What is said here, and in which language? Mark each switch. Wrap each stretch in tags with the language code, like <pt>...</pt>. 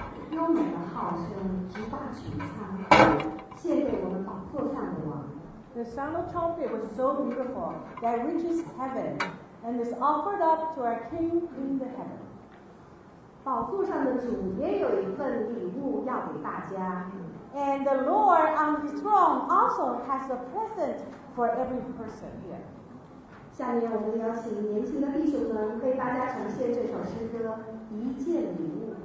<zh>优美的号声直达群苍，谢谢我们宝座上的王。</zh> <en>The sound of trumpet was so beautiful that reaches heaven and is offered up to our King in the heaven.</en> <zh>宝座上的主也有一份礼物要给大家。</zh> <en>And the Lord on his throne also has a present for every person here.</en> <zh>下面我们邀请年轻的弟兄们为大家呈现这首诗歌一件礼物。</zh>